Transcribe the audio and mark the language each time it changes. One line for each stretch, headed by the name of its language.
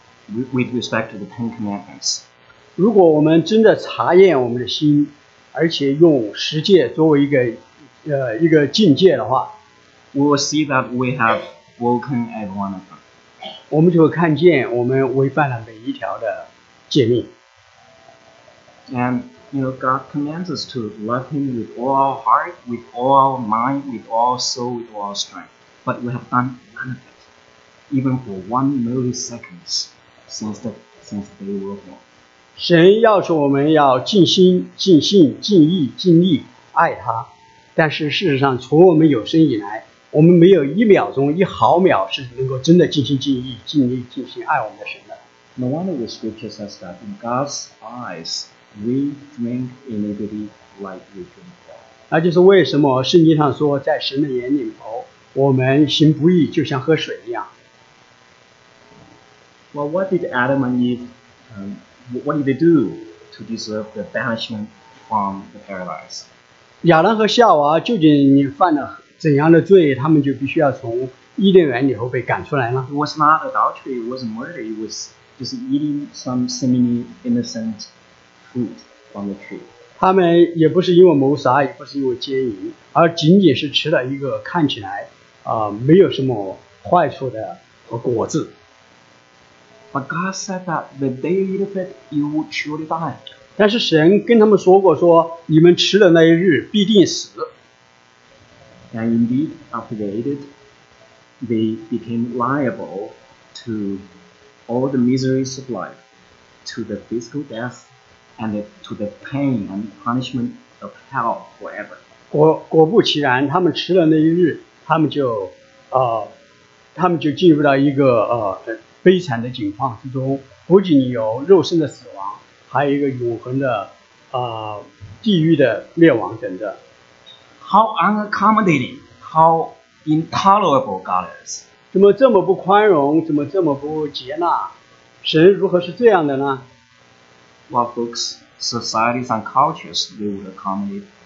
English: If we examine us with respect to the Ten Commandments.
Chinese: 如果我们真的查验我们的心，而且用十诫作为一个境界的话，
English: we will see that we have broken every one of them.
Chinese: 我们就会看见我们违反了每一条的诫命。
English: And you know, God commands us to love Him with all our heart, with all our mind, with all our soul, with all our strength. But we have done none of it, even for 1 millisecond since they were born.
Chinese: 神要求我们要尽心、尽性、尽意、尽力爱他，但是事实上，从我们有生以来，我们没有一秒钟、一毫秒是能够真的尽心、尽意、尽力、尽心爱我们的神的。
English: No wonder the scripture says that in God's eyes, we drink iniquity like we drink blood.
Chinese: 那就是为什么圣经上说，在神的眼里头，我们行不义就像喝水一样。
English: Well, what did Adam and Eve, what did they do to deserve the banishment from the paradise?
Chinese: 亚当和夏娃究竟你犯了怎样的罪，他们就必须要从伊甸园里头被赶出来了？
English: It was not adultery, it was murder, it was just eating some seemingly innocent fruit from the tree.
Chinese: 他们也不是因为谋杀，也不是因为奸淫，而仅仅是吃了一个看起来没有什么坏处的果子。
English: But God said that the day you eat of it, you will surely die.
Chinese: 但是神跟他们说过说，你们吃的那一日必定死。
English: And indeed, after they ate it, they became liable to all the miseries of life, to the physical death, and to the pain and punishment of hell forever.
Chinese: 果不其然，他们吃的那一日，他们就进入到一个悲惨的境况之中，不仅有肉身的死亡，还有一个永恒的地狱的灭亡等着。
English: How unaccommodating, how intolerable God is.
Chinese: 怎么这么不宽容，怎么这么不接纳，神如何是这样的呢？
English: Well, folks, societies and cultures, they would accommodate.